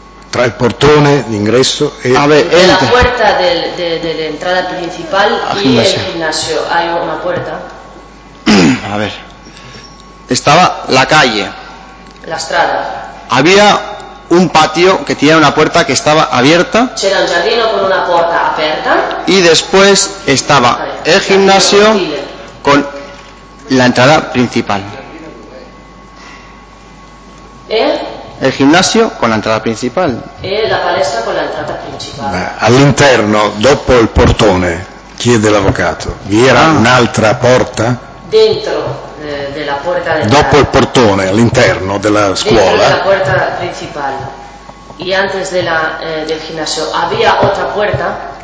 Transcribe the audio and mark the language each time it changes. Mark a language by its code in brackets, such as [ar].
[it] Tra il portone d'ingresso e [es] la puerta de entrada principal y el gimnasio hay una puerta. A ver. Estaba la calle. [it] La strada. [es] Había un patio que tenía una puerta que estaba abierta. [it] C'era un giardino con una puerta aperta. [es] Y después estaba el gimnasio con la entrada principal. El gimnasio con la entrada principal. Y la palestra con la entrada principal. [it] All'interno, dopo el portone, chiede l'avvocato, vi era un'altra porta? Dentro. Della porta della, dopo il portone all'interno della scuola la porta principale e [es] antes [it] della del ginnasio [es] había otra puerta.